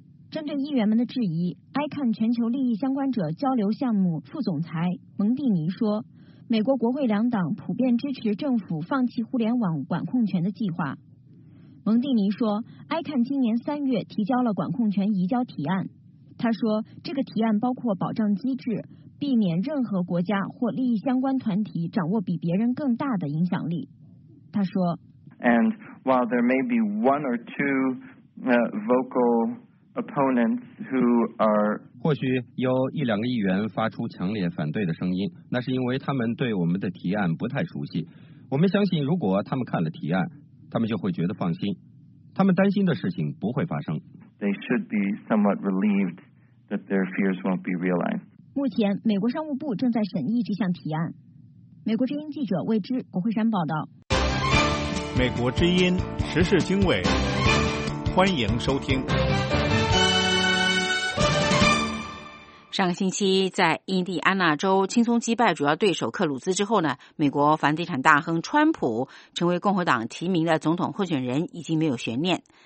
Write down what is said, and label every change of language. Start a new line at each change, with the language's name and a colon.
Chinese: 针对议员们的质疑， ICANN 全球利益相关者交流项目副总裁蒙蒂尼说，美国国会两党普遍支持政府放弃互联网管控权的计划。蒙蒂尼说， ICANN 今年三月提交了管控权移交提案，他说这个提案包括保障机制，避免任何国家或利益相关团体掌握比别人更大的影响力。他说
English: And while there may be one or two vocal opponents who are
Chinese: 或许有一两个议员发出强烈反对的声音，那是因为他们对我们的提案不太熟悉。我们相信如果他们看了提案，他们就会觉得放心，他们担心的事情不会发生。
English: They should be somewhat relieved that their fears won't be realized.
Chinese: 目前，美国商务部正在审议这项提案。美国之音记者魏之国会山报道。美国之音时事经纬，欢迎收听。上个星期在印第安纳州轻松击败主要对手克鲁兹之后呢，美国房地产大亨川普成为共和党提名的总统候选人已经没有悬念。